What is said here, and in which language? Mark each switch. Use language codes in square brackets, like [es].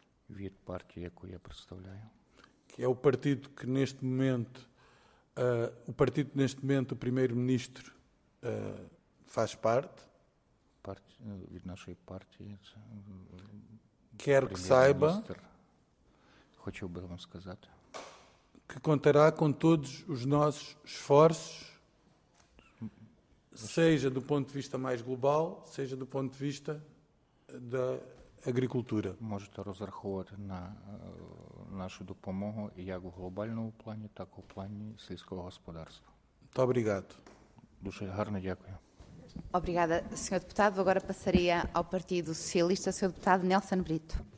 [uk] від партії, яку я представляю, [pt] que é o partido que neste momento, o partido que neste momento o primeiro-ministro faz parte, [uk] від нашої партії, [pt] quer que saiba, [uk] хочу би вам сказати, [pt] que contará com todos os nossos esforços, seja do ponto de vista mais global, seja do ponto de vista da agricultura. [uk] Можете розраховувати на нашу допомогу як в глобальному плані, так і в плані сільського господарства. [pt] Muito obrigado. [uk] Дуже гарно, дякую. [pt] Obrigada, Sr. Deputado. Agora passaria ao Partido Socialista, Sr. Deputado Nelson Brito.